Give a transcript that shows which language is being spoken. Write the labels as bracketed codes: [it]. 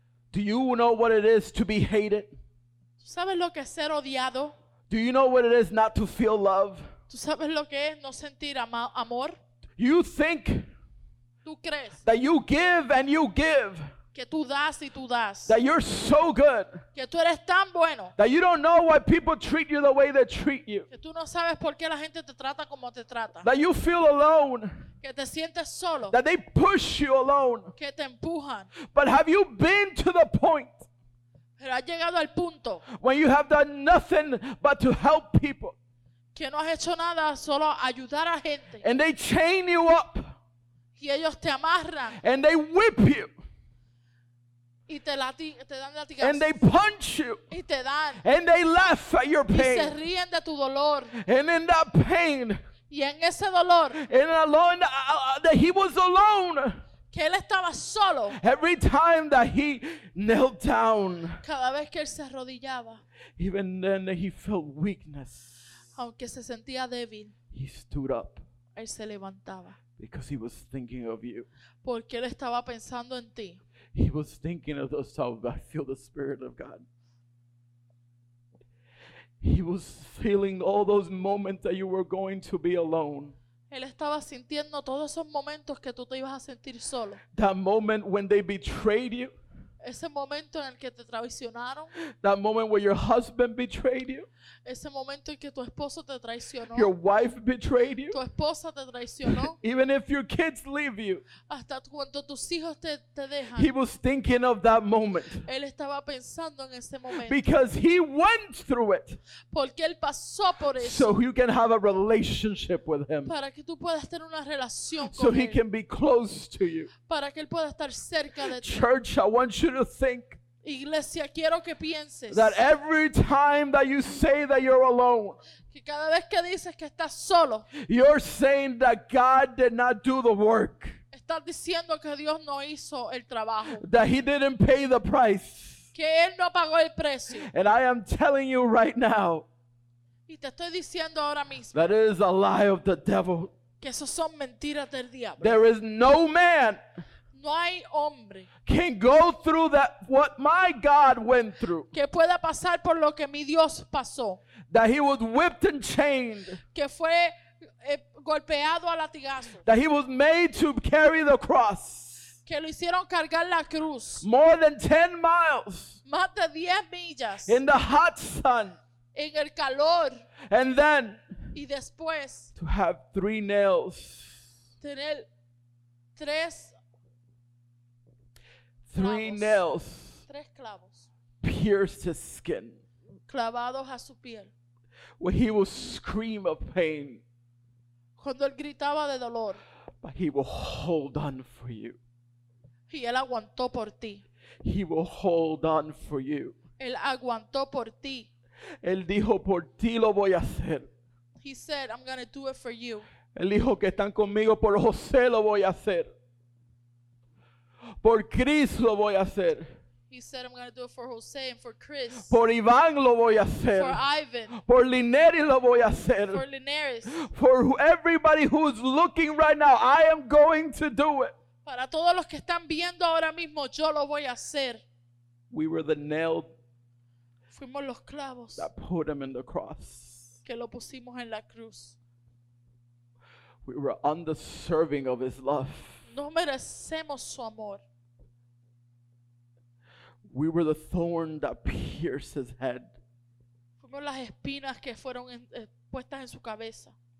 [en] Do you know what it is to be hated? [es] ¿Sabes lo que es ser odiado? [en] Do you know what it is not to feel love? [es] ¿Tú sabes lo que es no sentir amor? [en] You think [es] ¿Tú crees? [en] That you give and you give. [es] Que tú das y tú das. [en] That you're so good. [es] Que tú eres tan bueno. [en] That you don't know why people treat you the way they treat you. [es] Que tú no sabes por qué la gente te trata como te trata. [en] That you feel alone. [es] Que te sientes solo. [en] That they push you alone. [es] Que te empujan. [en] But have you been to the point? [es] Pero has llegado al punto. [en] When you have done nothing but to help people. [es] Que no has hecho nada, solo ayudar a gente. [en] And they chain you up. [es] Y ellos te amarran. [en] And they whip you. [es] Y te dan latigazos. [en] And they punch you. [es] Y te dan. [en] And they laugh at your pain. [es] Y se ríen de tu dolor. [en] And in that pain. [es] Y en ese dolor. [en] And alone, that he was alone. [es] Que él estaba solo. [en] Every time that he knelt down. [es] Cada vez que él se arrodillaba. [en] Even then he felt weakness. [es] Aunque se sentía débil. [en] He stood up. [es] Él se levantaba. [en] Because he was thinking of you. [es] Porque él estaba pensando en ti. [en] He was thinking of himself, but I feel the Spirit of God. He was feeling all those moments that you were going to be alone. [es] Él estaba sintiendo todos esos momentos que tú te ibas a sentir solo. [en] That moment when they betrayed you. [es] Ese momento en el que te traicionaron. [en] That moment where your husband betrayed you. [es] Ese momento en que tu esposo te traicionó. [en] Your wife betrayed you. [es] Tu esposa te traicionó. [en] Even if your kids leave you. [es] Hasta cuando tus hijos te dejan. [en] He was thinking of that moment. [es] Él estaba pensando en ese momento. [en] Because he went through it. [es] Porque él pasó por eso. [en] So you can have a relationship with him. [es] Para que tú puedas tener una relación con él. [en] So he can be close to you. [es] Para que él pueda estar cerca de ti. [en] Church, I want you to think [es] Iglesia, quiero que pienses [en] that every time that you say that you're alone, [es] que cada vez que dices que estás solo, [en] you're saying that God did not do the work. [es] Estás diciendo que Dios no hizo el trabajo. [en] That he didn't pay the price. [es] Que él no pagó el precio. [en] And I am telling you right now, [es] y te estoy diciendo ahora mismo, [en] that is a lie of the devil. [es] Que esos son mentiras del diablo. [en] There is no man [es] no hay hombre [en] can go through that what my God went through. [es] Que pueda pasar por lo que mi Dios pasó. [en] That he was whipped and chained. [es] Que fue golpeado a latigazo. [en] That he was made to carry the cross. [es] Que lo hicieron cargar la cruz. [en] More than 10 miles. [es] Más de 10 millas. [en] In the hot sun. [es] En el calor. [en] And then. [es] Y después. [en] To have 3 nails. [es] Tener 3 [en] Three [es] clavos, [en] nails [es] tres clavos, [en] pierced his skin. [es] Clavados a su piel. [en] When he would scream of pain. [es] Cuando él gritaba de dolor. [en] But he will hold on for you. [es] Y él aguantó por ti. [en] He will hold on for you. [es] Él aguantó por ti. Él dijo, por ti lo voy a hacer. [en] He said, I'm going to do it for you. [es] Él dijo, que están conmigo, por José lo voy a hacer. Por Chris lo voy a hacer. [en] He said, I'm going to do it for Jose and for Chris. [es] Por Iván lo voy a hacer. [en] For Ivan. [es] Por Linares lo voy a hacer. [en] For Linares. For everybody who is looking right now, I am going to do it. [es] Para todos los que están viendo ahora mismo, yo lo voy a hacer. [en] We were the nail. [es] Fuimos los clavos. [en] That put him in the cross. [es] Que lo pusimos en la cruz. [en] We were undeserving of his love. [es] No merecemos su amor. [en] We were the thorn that pierced his head. [es] Fuimos las espinas que fueron puestas en su cabeza.